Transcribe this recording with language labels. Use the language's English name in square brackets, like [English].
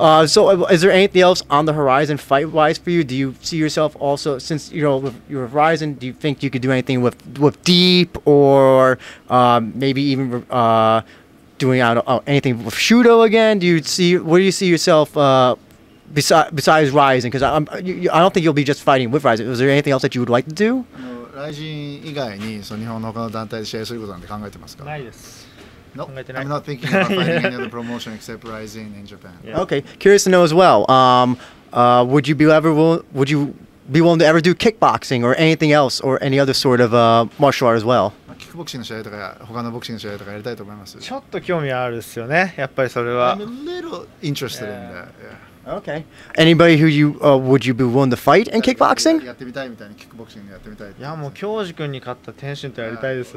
[English] So is there anything else on the horizon fight-wise for you? Do you see yourself also, since you know your horizon, do you think you could do anything with deep or maybe even doing anything with Shudo again? Where do you see yourself besides Ryzen? Because I don't think you'll be just fighting with Ryzen. Is there anything else that you would like to do? No. [Japanese] ライジン以外にその日本の他の団体で試合することなんて考えてますか？ないです。 [English] No, I'm not thinking about fighting any other promotion except Rising in Japan. Yeah. Okay, curious to know as well. Would you be willing to ever do kickboxing or anything else or any other sort of martial art as well? [Japanese] キックボクシングの試合とか他のボクシングの試合とかやりたいと思います。ちょっと興味あるっすよね、やっぱりそれは。 [English] I'm a little interested in that. Yeah. Okay. Anybody who you、would you be willing to fight in kickboxing? [Japanese] やってみたいみたいな、キックボクシングやってみたい。いやもう京次君に勝った天心とやりたいです。